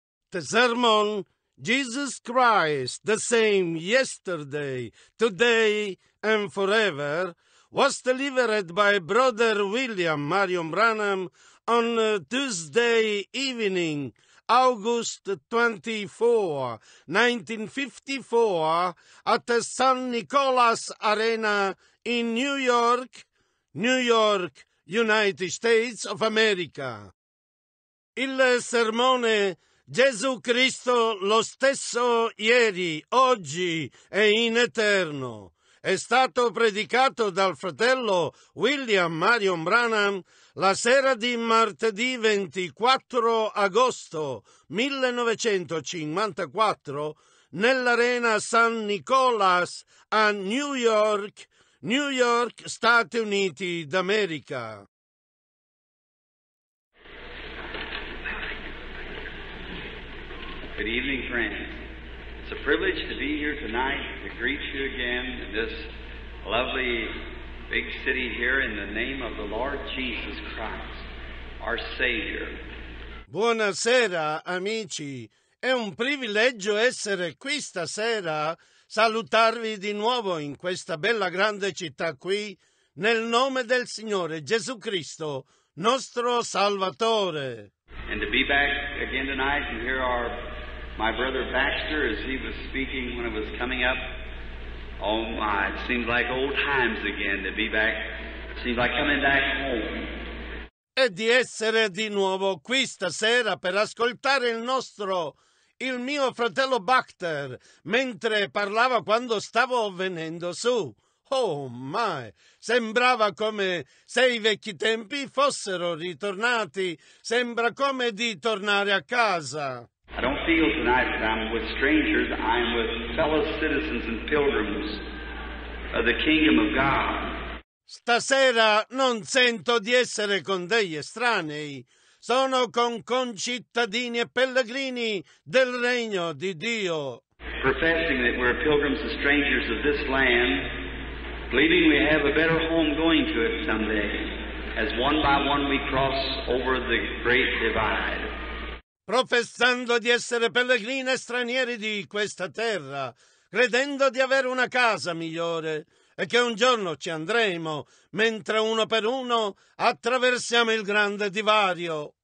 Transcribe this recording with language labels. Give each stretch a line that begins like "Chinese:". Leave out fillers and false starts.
English: the sermon, Jesus Christ, the same yesterday, today, and forever, was delivered by Brother William Marion Branham on Tuesday evening, August 24, 1954, at the San Nicolas Arena in New York, New York, United States of America.
Italian: Il sermone Gesù Cristo lo stesso ieri, oggi e in eterno è stato predicato dal fratello William Marion Branham la sera di martedì 24 agosto 1954 nell'Arena San Nicolas a New York, New York, Stati Uniti d'America.
English: Good evening, friends. It's a privilege to be here tonight to greet you again in this lovely big city here in the name of the Lord Jesus Christ, our Savior.
Italian: Buonasera, amici. È un privilegio essere qui stasera, salutarvi di nuovo in questa bella grande città qui, nel nome del Signore Gesù Cristo, nostro Salvatore.
English: And to be back again tonight and hear our my brother Baxter, as he was speaking when it was coming up, oh my, it seemed like old times again to be back, it seemed like coming back home.
Italian: E di essere di nuovo qui stasera per ascoltare il mio fratello Baxter, mentre parlava quando stavo venendo su.
English: Oh my,
Italian: sembrava come se i vecchi tempi fossero ritornati, sembra come di tornare a casa.
English: I don't feel tonight that I'm with strangers, I'm with fellow citizens and pilgrims of the kingdom of God.
Italian: Stasera non sento di essere con degli estranei, sono con concittadini e pellegrini del regno di Dio.
English: Professing that we're pilgrims and strangers of this land, believing we have a better home going to it someday, as one by one we cross over the great divide.
Italian: Professando di essere pellegrini e stranieri di questa terra, credendo di avere una casa migliore e che un giorno ci andremo, mentre uno per uno attraversiamo il grande divario.